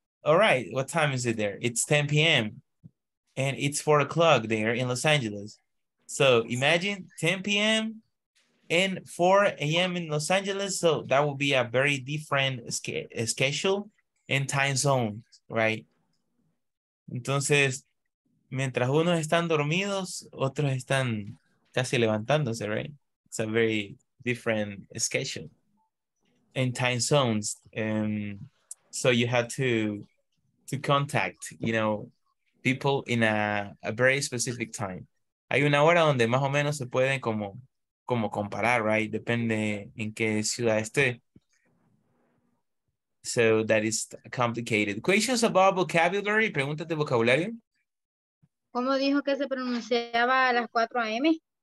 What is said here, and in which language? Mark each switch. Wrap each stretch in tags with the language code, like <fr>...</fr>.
<en>All right, what time is it there? It's 10 p.m. and it's 4 o'clock there in Los Angeles. So imagine 10 p.m. and 4 a.m. in Los Angeles. So that would be a very different schedule and time zone, right?</en> <es>Entonces, mientras unos están dormidos, otros están casi levantándose, right?</es> <en>It's a very different schedule and time zones. So you had to contact, you know, people in a very specific time.</en> <es>Hay una hora donde más o menos se pueden como comparar, right? Depende en qué ciudad esté.</es> <en>So that is a complicated. Questions about vocabulary,</en> <es>preguntas de vocabulario. ¿Cómo dijo que se pronunciaba a las 4 a.m.?</es>